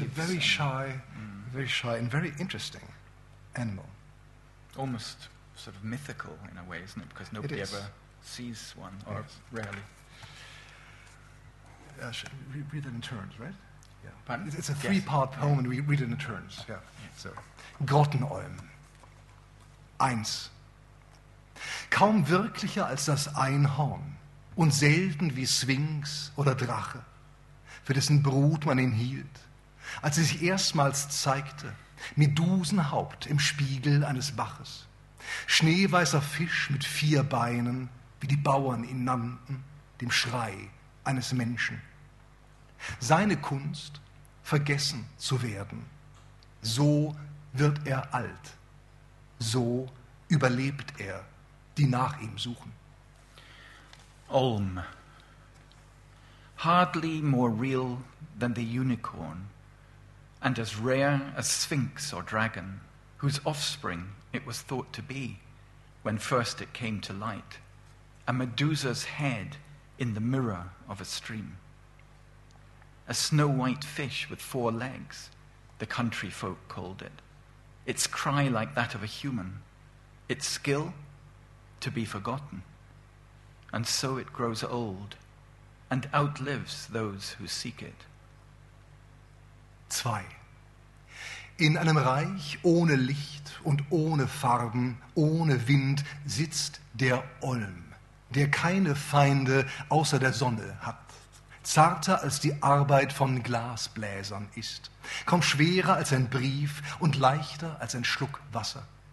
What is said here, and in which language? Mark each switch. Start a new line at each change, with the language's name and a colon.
English: It's a very shy, very shy and very interesting animal. Almost sort of mythical in a way, isn't it? Because nobody ever sees one, or rarely. Read it in turns, right? Yeah. Pardon? It's a three-part poem, and we read it in turns. Yeah. So, Grottenolm.
German: Eins. Kaum wirklicher als das Einhorn und selten wie Sphinx oder Drache, für dessen Brut man ihn hielt, als er sich erstmals zeigte, Medusenhaupt im Spiegel eines Baches. Schneeweißer Fisch mit vier Beinen, wie die Bauern ihn nannten, dem Schrei eines Menschen. Seine Kunst, vergessen zu werden. So wird er alt. So überlebt er, die nach ihm suchen. Olm.
English: Hardly more real than the unicorn, and as rare as Sphinx or dragon, whose offspring it was thought to be when first it came to light, a Medusa's head in the mirror of a stream. A snow-white fish with four legs, the country folk called it, its cry like that of a human, its skill to be forgotten. And so it grows old and outlives those who seek it.
German: Zwei. In einem Reich ohne Licht und ohne Farben, ohne Wind, sitzt der Olm, der keine Feinde außer der Sonne hat, zarter als die Arbeit von Glasbläsern ist, kaum schwerer als ein Brief und leichter als ein Schluck Wasser.